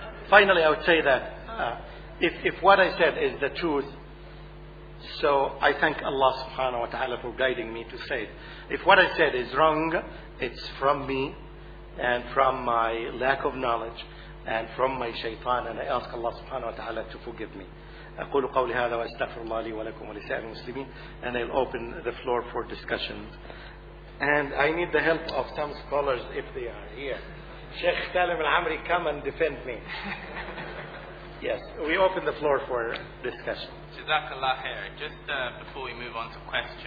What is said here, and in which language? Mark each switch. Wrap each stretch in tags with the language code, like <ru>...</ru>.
<en>Finally, I would say that if what I said is the truth, so I thank Allah subhanahu wa ta'ala for guiding me to say it. If what I said is wrong, it's from me and from my lack of knowledge and from my shaitan, and I ask Allah subhanahu wa ta'ala to forgive me.</en> <ar>أقول قولي هذا وأستغفر الله لي ولكم ولسائر المسلمين.</ar> <en>And I'll open the floor for discussion. And I need the help of some scholars if they are here. Sheikh Salim Al-Amri, come and defend me. Yes, we open the floor for discussion. Jazakallah khair. Just before we move on to questions.</en>